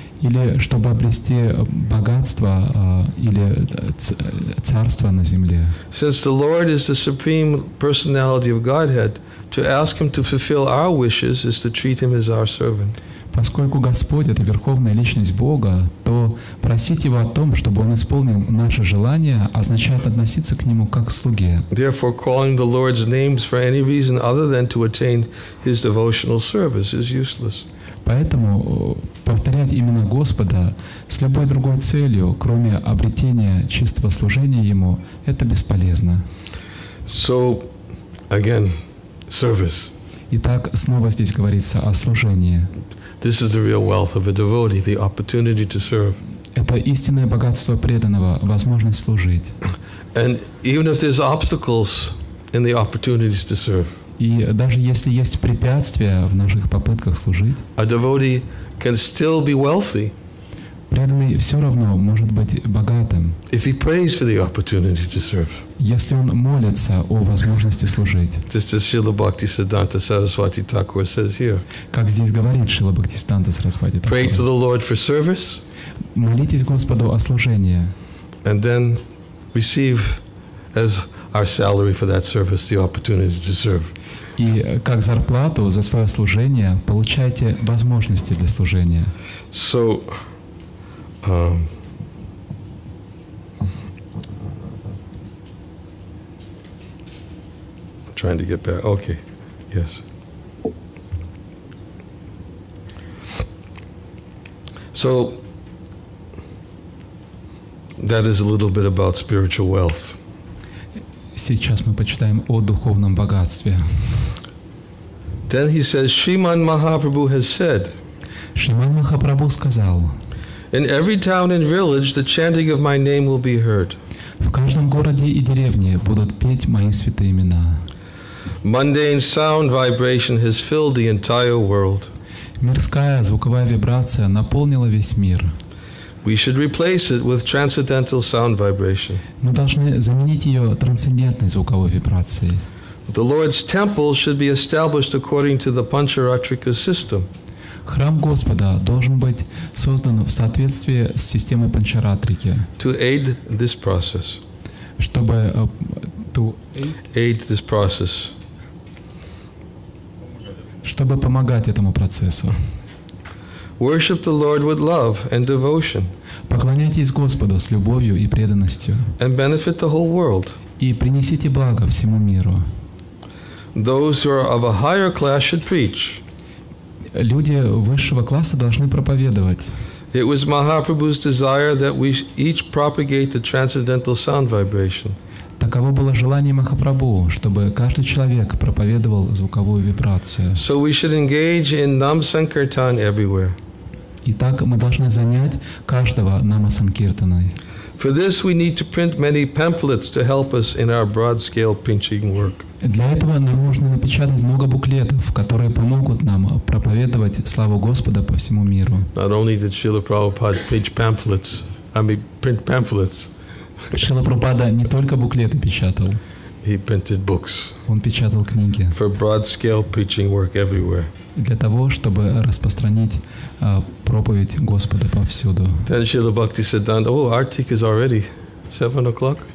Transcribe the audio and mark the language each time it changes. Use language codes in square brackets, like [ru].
[ru] Или чтобы обрести богатство или царство на земле. [en] Since the Lord is the supreme personality of Godhead, to ask him to fulfill our wishes is to treat him as our servant. [ru] Поскольку Господь — это верховная личность Бога, то просить его о том, чтобы он исполнил наше желание, означает относиться к нему как к слуге. [en] Therefore, calling the Lord's names for any reason other than to attain his devotional service is useless. [ru] Поэтому повторять имена Господа с любой другой целью, кроме обретения чистого служения Ему, это бесполезно. [en] So, again, service. [ru] Итак, снова здесь говорится о служении. [en] This is the real wealth of a devotee, the opportunity to serve. [ru] Это истинное богатство преданного, возможность служить. [en] And even if there's obstacles in the opportunities to serve. [ru] И даже если есть препятствия в наших попытках служить, [en] a devotee can still be wealthy. [ru] Преданный все равно может быть богатым. [en] If he prays for the opportunity to serve. [ru] Если он молится о возможности служить. [en] Just as Srila Bhaktisiddhanta Saraswati Thakur says here. [ru] Как здесь говорит Шрила Бхактисиддханта Сарасвати Такур. [en] Pray to the Lord for service. [ru] Молитесь Господу о служении. [en] And then receive as our salary for that service the opportunity to serve. [ru] И как зарплату за свое служение получаете возможности для служения. [en] So, trying to get back. Okay, yes. So, that is a little bit about spiritual wealth. [ru] Сейчас мы почитаем о духовном богатстве. [en] Then he says, Shriman Mahaprabhu has said, [ru] Shriman Mahaprabhu сказал, [en] in every town and village the chanting of my name will be heard. [ru] В каждом городе и деревне будут петь мои святые имена. [en] Mundane sound vibration has filled the entire world. [ru] Мирская звуковая вибрация наполнила весь мир. [en] We should replace it with transcendental sound vibration. [ru] Мы должны заменить ее трансцендентной звуковой вибрацией. [en] The Lord's temple should be established according to the Pancharatrika system. [ru] Храм Господа должен быть создан в соответствии с системой Панчаратрики. [en] To aid this process. [ru] Чтобы [en] aid this process. [ru] Чтобы помогать этому процессу. [en] Worship the Lord with love and devotion. [ru] Поклоняйтесь Господу с любовью и преданностью. [en] And benefit the whole world. [ru] И принесите благо всему миру. [en] Those who are of a higher class should preach. [ru] Люди высшего класса должны проповедовать. [en] It was Mahaprabhu's desire that we each propagate the transcendental sound vibration. [ru] Таково было желание Махапрабху, чтобы каждый человек проповедовал звуковую вибрацию. [en] So we should engage in Nam-Sankirtan everywhere. [ru] Итак, мы должны занять каждого Нама-Санкиртаной. [en] For this we need to print many pamphlets to help us in our broad-scale preaching work. [ru] Для этого нам нужно напечатать много буклетов, которые помогут нам проповедовать славу Господа по всему миру. [en] Not only did Srila Prabhupada preach pamphlets, I mean print pamphlets. [ru] Шрила Прабхупада не только буклеты печатал. [en] He printed books. [ru] Он печатал книги. [en] For broad-scale preaching work everywhere. [ru] Для того, чтобы распространить проповедь Господа повсюду. [en] Then Srila Bhakti said, "Oh, Artik is already 7 o'clock."